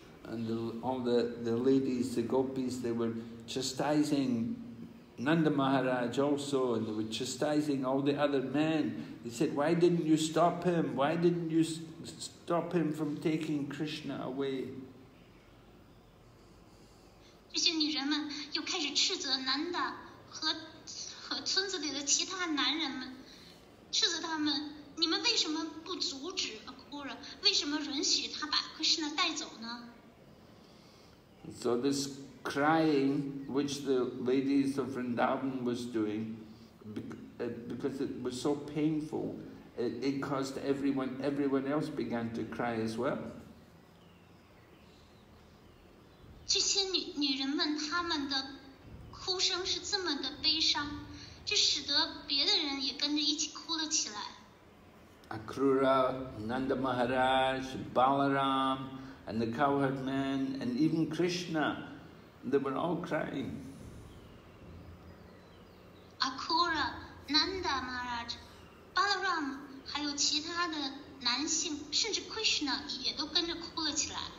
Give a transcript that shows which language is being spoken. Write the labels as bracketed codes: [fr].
[en] And all the ladies, the gopis, they were chastising Nanda Maharaj also, and they were chastising all the other men. They said, "Why didn't you stop him? Why didn't you stop him from taking Krishna away?" [zh] 这些女人们又开始斥责男的和村子里的其他男人们，斥责他们，你们为什么不阻止阿库拉，为什么允许他把克什纳带走呢？ [en] So this crying which the ladies of Vrindavan was doing because it was so painful, it caused everyone else began to cry as well. [zh] 这些女人们她们的哭声是这么的悲伤，这使得别的人也跟着一起哭了起来。 [en] Akrura, Nanda Maharaj, Balaram, and the cowherd men, and even Krishna, they were all crying. [zh] Akrura, Nanda Maharaj, Balaram, 还有其他的男性，甚至 Krishna 也都跟着哭了起来。